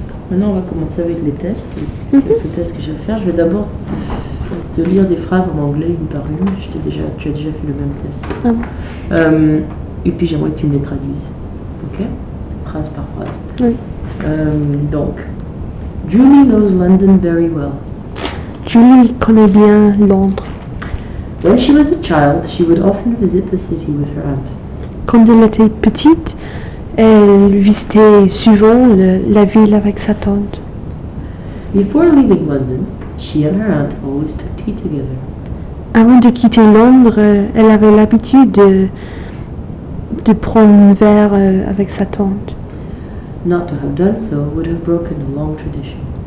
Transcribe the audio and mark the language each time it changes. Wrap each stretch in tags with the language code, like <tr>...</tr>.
<fr>Maintenant, on va commencer avec les tests. Quelques tests que je vais faire. Je vais d'abord te lire des phrases en anglais, une par une. Tu as déjà fait le même test. Ah. Et puis, j'aimerais que tu me les traduises. Ok. Phrase par phrase. Oui.</fr> <en>Donc, Julie knows London very well.</en> <fr>Julie connaît bien Londres.</fr> <en>When she was a child, she would often visit the city with her aunt.</en> <fr>Quand elle était petite, elle visitait souvent la ville avec sa tante.</fr> <en>Before leaving London, she and her aunt always took tea together.</en> <fr>Avant de quitter Londres, elle avait l'habitude de prendre un verre avec sa tante.</fr> <en>Not to have done so would have broken a long tradition.</en>